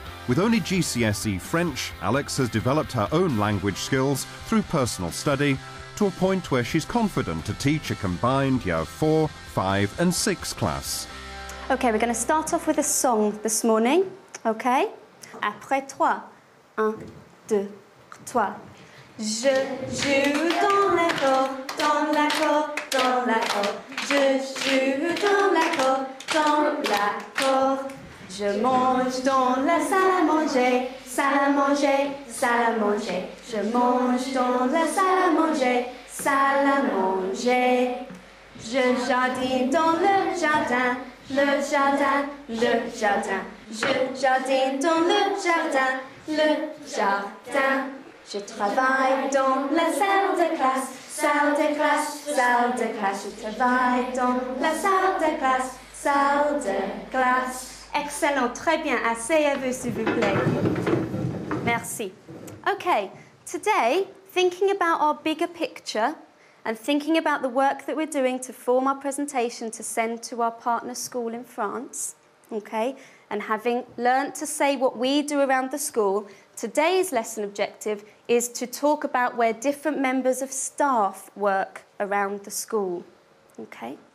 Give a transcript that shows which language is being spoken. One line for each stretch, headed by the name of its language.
English: With only GCSE French, Alex has developed her own language skills through personal study to a point where she's confident to teach a combined year 4, 5 and 6 class. OK, we're going to start off with a song this morning, OK?
French: Après toi, un, deux, trois. Je joue dans la cour, dans la cour, dans la cour. Je joue dans la cour, dans la cour. Je mange dans la salle à manger, salle à manger, salle à manger. Je mange dans la salle à manger, salle à manger. Je jardine dans le jardin, le jardin, le jardin. Je jardine dans le jardin, le jardin. Je travaille dans la salle de classe, salle de classe, salle de classe. Je travaille dans la salle de classe, salle de classe. Excellent, très bien. Asseyez-vous, s'il vous plaît. Merci.
English: Okay, today, thinking about our bigger picture and thinking about the work that we're doing to form our presentation to send to our partner school in France, okay, and having learnt to say what we do around the school, today's lesson objective is to talk about where different members of staff work around the school, okay?